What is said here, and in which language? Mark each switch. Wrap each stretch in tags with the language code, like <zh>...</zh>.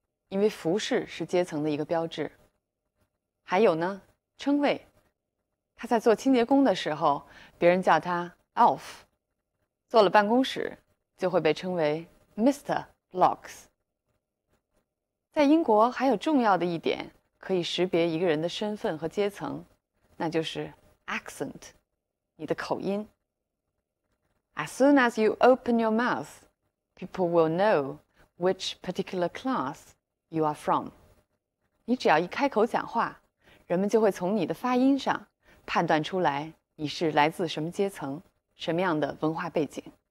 <zh>因为服饰是阶层的一个标志。还有呢，称谓，他在做清洁工的时候，别人叫他 Alf， 坐了办公室就会被称为 Mr.</zh> <en>Locks。</en> <zh>在英国还有重要的一点可以识别一个人的身份和阶层，那就是 accent， 你的口音。</zh> <en>As soon as you open your mouth, people will know which particular classYou are from.</en> <zh>你只要一开口讲话，人们就会从你的发音上判断出来你是来自什么阶层，什么样的文化背景。</zh>